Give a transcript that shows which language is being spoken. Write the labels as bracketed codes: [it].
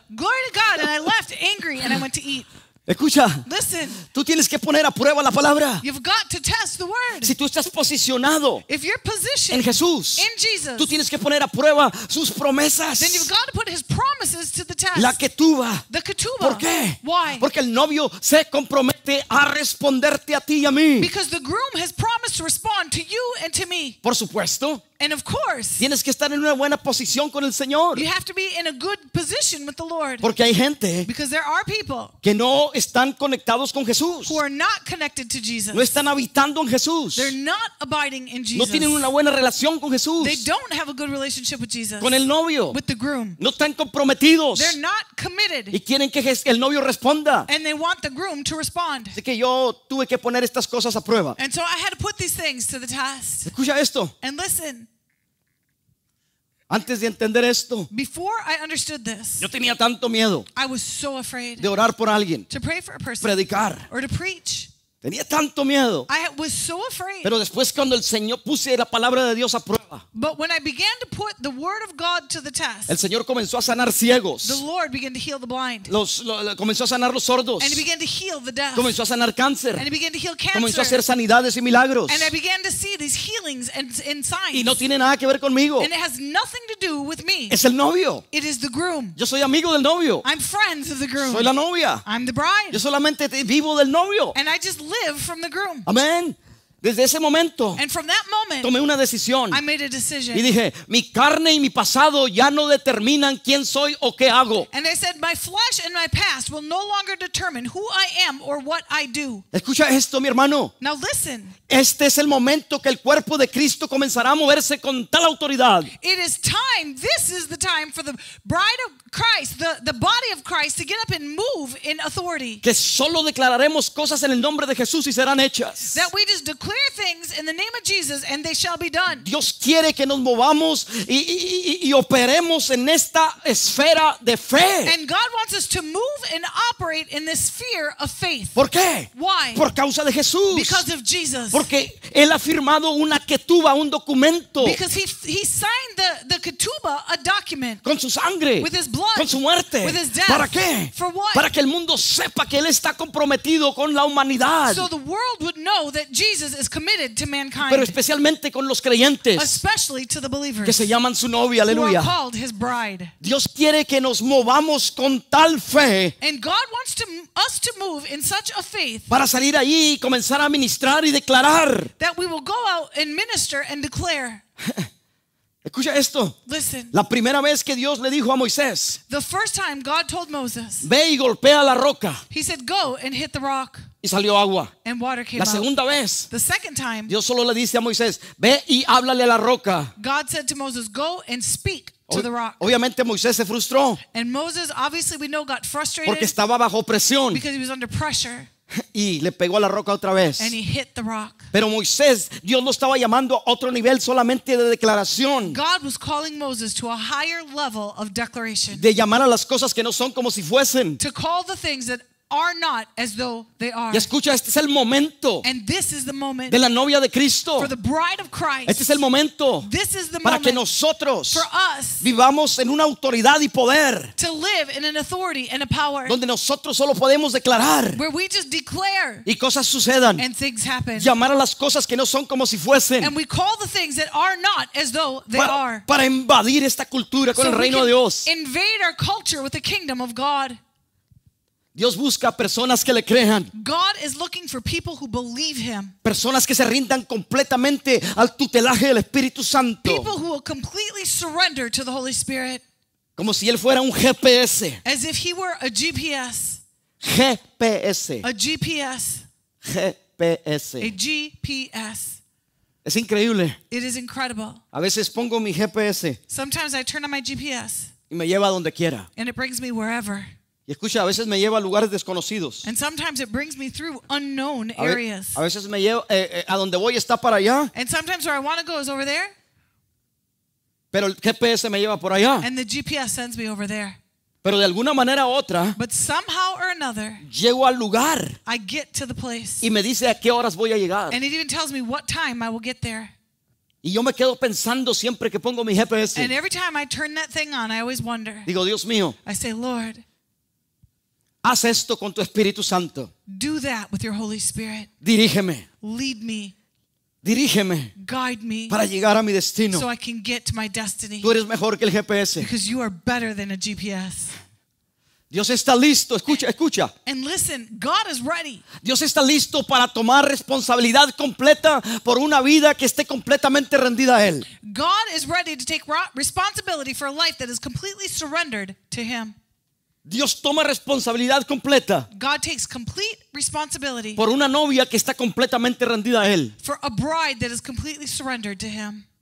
[en] Glory to God, and I left angry and I went to eat. [es] Escucha. [en] Listen. [es] Tú tienes que poner a prueba la palabra. [en] You've got to test the word. [es] Si tú estás posicionado [en] if you're positioned [es] en Jesús, [en] in Jesus, [es] tú tienes que poner a prueba sus promesas. [en] Then you've got to put his promises to the test. [es] La ketuba. [en] The ketuba. [es] ¿Por qué? [en] Why? [es] Porque el novio se compromete a responderte a ti y a mí. [en] Because the groom has promised to respond to you and to me. [es] Por supuesto. [en] And of course, [es] tienes que estar en una buena posición con el Señor. [en] You have to be in a good position with the Lord. [es] Porque hay gente [en] because there are people [es] que no están conectados con Jesús. [en] Who are not connected to Jesus. [es] No están habitando en Jesús. [en] They're not abiding in Jesus. [es] No tienen una buena relación con Jesús. [en] They don't have a good relationship with Jesus. [es] Con el novio. [en] With the groom. [es] No están comprometidos. [en] They're not committed. [es] Y quieren que el novio responda. [en] And they want the groom to respond. [es] Así que yo tuve que poner estas cosas a prueba. [en] And so I had to put these things to the test. [es] Escucha esto. [en] And listen. [es] Antes de entender esto, [en] before I understood this, [es] yo tenía tanto miedo, [en] I was so afraid [es] de orar por alguien, [en] to pray for a person, [es] predicar, [en] or to preach. [es] Tenía tanto miedo. [en] I was so afraid. [es] Pero después cuando el Señor puse la palabra de Dios a prueba, prueba. [en] But when I began to put the word of God to the test, [es] el Señor comenzó a sanar ciegos. [en] The Lord began to heal the blind. [es] Comenzó a sanar los sordos. [en] And he began to heal the deaf. [es] Comenzó a sanar cáncer. [en] And he began to heal cancer. [es] Comenzó a hacer sanidades y milagros. [en] And I began to see these healings and signs. [es] Y no tiene nada que ver conmigo. [en] And it has nothing to do with me. [es] Es el novio. [en] It is the groom. [es] Yo soy amigo del novio. [en] I'm friends of the groom. [es] Soy la novia. [en] I'm the bride. [es] Yo solamente vivo del novio. [en] And I just live from the groom. [es] Amén. Desde ese momento, [en] and from that moment, [es] tomé una decisión. [en] I made a decision. [es] Y dije, mi carne y mi pasado ya no determinan quién soy o qué hago. [en] And I said, my flesh and my past will no longer determine who I am or what I do. [es] Escucha esto, mi hermano. [en] Now listen. [es] Este es el momento que el cuerpo de Cristo comenzará a moverse con tal autoridad. [en] It is time. This is the time for the bride of Christ, the body of Christ, to get up and move in authority. [es] Que solo declararemos cosas en el nombre de Jesús y serán hechas. [en] That we just declare things in the name of Jesus and they shall be done. [es] Dios quiere que nos movamos y operemos en esta esfera de fe. [en] And God wants us to move and operate in this sphere of faith. [es] ¿Por qué? [en] Why? [es] Por causa de Jesús. [en] Because of Jesus. [es] Porque él ha firmado una ketuba, un documento. [en] Because he signed the ketuba, a document. [es] Con su sangre. [en] With his blood. [es] Con su muerte. [en] With his death. [es] ¿Para qué? [en] For what? [es] Para que el mundo sepa que él está comprometido con la humanidad. [en] So the world would know that Jesus is committed to mankind. [es] Pero especialmente con los creyentes. [en] Especially to the believers. [es] Que se llaman su novia, aleluya. [en] Who are called his bride. [es] Dios quiere que nos movamos con tal fe. [en] And God wants us to move in such a faith. [es] Para salir ahí y comenzar a ministrar y declarar. [en] That we will go out and minister and declare. [es] Escucha esto. [en] Listen. [es] La primera vez que Dios le dijo a Moisés. [en] The first time God told Moses. [es] Ve y golpea la roca. [en] He said, go and hit the rock. [es] Y salió agua. [en] And water came out. [es] La segunda vez. [en] The second time. [es] Dios solo le dice a Moisés, ve y háblale a la roca. [en] God said to Moses, go and speak to the rock. [es] Obviamente Moisés se frustró. [en] And Moses, obviously we know, got frustrated. [es] Porque estaba bajo presión. [en] Because he was under pressure. [es] Y le pegó a la roca otra vez. [en] And he hit the rock. [es] Pero Moisés, Dios lo estaba llamando a otro nivel solamente de declaración. [en] God was calling Moses to a higher level of declaration. [es] De llamar a las cosas que no son como si fuesen. [en] To call the things that are not as though they are. [es] Y escucha, este es el momento. [en] And this is the moment. [es] De la novia de Cristo. [en] For the bride of Christ. [es] Este es el momento. [en] This is the [es] para [en] moment [es] que nosotros. [en] For us. [es] Vivamos en una autoridad y poder. [en] To live in an authority and a power. [es] Donde nosotros solo podemos declarar. [en] Where we just declare. [es] Y cosas sucedan. [en] And things happen. [es] Llamar a las cosas que no son como si fuesen. [en] And we call the things that are not as though they are. [es] Para invadir esta cultura con [en] so [es] el reino de Dios. [en] Invade our culture with the kingdom of God. [es] Dios busca personas que le crean. [en] God is looking for people who believe him. [es] Personas que se rindan completamente al tutelaje del Espíritu Santo. [en] People who will completely surrender to the Holy Spirit. [es] Como si él fuera un GPS. [en] As if he were a GPS. [es] GPS. [en] A GPS. [es] GPS. [en] A GPS. [es] Es increíble. [en] It is incredible. [es] A veces pongo mi GPS. [en] Sometimes I turn on my GPS. [es] Y me lleva a donde quiera. [en] And it brings me wherever. [es] Y escucha, a veces me lleva a lugares desconocidos. [en] And sometimes it brings me through unknown areas. [es] A veces me lleva a donde voy está para allá. [en] And sometimes where I want to go is over there. [es] Pero el GPS me lleva por allá. [en] And the GPS sends me over there. [es] Pero de alguna manera u otra, [en] but somehow or another, [es] llego al lugar. [en] I get to the place. [es] Y me dice a qué horas voy a llegar. [en] And it even tells me what time I will get there. [es] Y yo me quedo pensando siempre que pongo mi GPS. [en] And every time I turn that thing on, I always wonder. [es] Digo, Dios mío. [en] I say, Lord. [es] Haz esto con tu Espíritu Santo. [en] Do that with your Holy Spirit. [es] Dirígeme. [en] Lead me. [es] Dirígeme. [en] Guide me. [es] Para llegar a mi destino. [en] So I can get to my destiny. [es] Tú eres mejor que el GPS. [en] Because you are better than a GPS. [es] Dios está listo, escucha, escucha. [en] And listen, God is ready. [es] Dios está listo para tomar responsabilidad completa por una vida que esté completamente rendida a él. [en] God is ready to take responsibility for a life that is completely surrendered to him. [es] Dios toma responsabilidad completa. [en] God takes complete responsibility. [es] Por una novia que está completamente rendida a él. [en] For a bride that is completely surrendered to him.